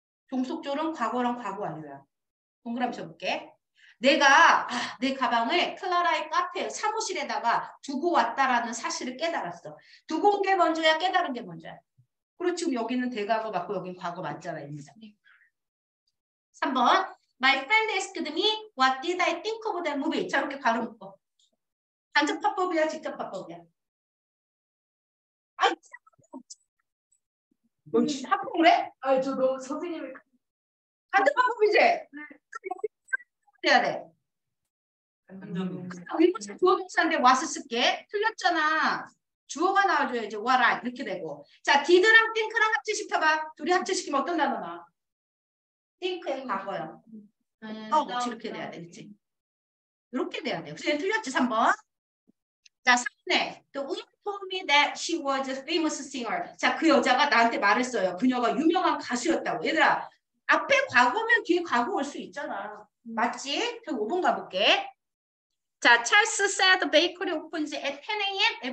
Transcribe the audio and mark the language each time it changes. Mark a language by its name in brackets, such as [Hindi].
[Korean] 종속절은 과거랑 과거 완료야. 동그라미 쳐볼게. 내가 내 가방을 클라라의 카페 사무실에다가 두고 왔다라는 사실을 깨달았어. 두고 온 게 먼저야 깨달은 게 먼저야. 그리고 지금 여기는 대과거 맞고 여기는 과거 맞잖아. 입니다. [English] 3번 My friend asked me what did I think of that movie. [Korean] 저렇게 바로 묶어. 간접화법이야, 직접화법이야. 아이, 참. 합법으로 해? 아, 저 너무 선생님이. 간접화법이지? 네. 그럼 해야 돼. 간접화법. 의문사 주어동사인데 was 쓸게. 틀렸잖아. 주어가 나와줘야지. [English] What I [Korean] 이렇게 되고. 자, did랑 think랑 합치시켜봐. 둘이 합치시키면 어떤 단어 나? think의 과거야. 어, 그렇지, 이렇게 돼야 되겠지. 이렇게 돼야 돼. 그래서 틀렸지, 3번. 자, 3번에. [English] The woman told me that she was a famous singer. [Korean] 자, 그 여자가 나한테 말했어요. 그녀가 유명한 가수였다고. 얘들아, 앞에 과거면 뒤에 과거 올 수 있잖아. 맞지? 그럼 5번 가볼게. [English] 자, Charles said the bakery opens at 10 a.m.